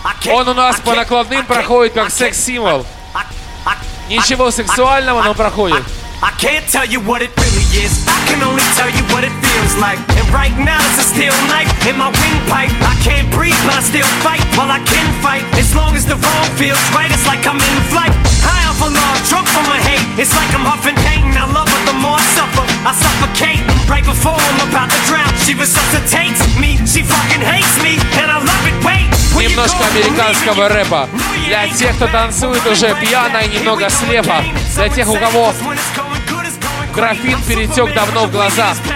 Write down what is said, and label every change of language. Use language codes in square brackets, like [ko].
[ru] Он у нас по накладным проходит как секс-символ. Ничего сексуального, но проходит. [en] I can't tell you what it really is. I can only tell you what it feels like. And right now it's a steel knife in my windpipe. I can't breathe, but I still fight. While I can fight, as long as the wrong feels right, it's like I'm in flight. High off a log, drunk from my hate. It's like I'm huffing pain. I love her, the more I suffer. I suffocate right before I'm about to drown. She resuscitates me. She fucking hates me, and I love it. Wait. [ru] Немножко американского рэпа для тех, кто танцует уже пьяно и немного слепо, для тех, у кого графин перетек давно в глаза.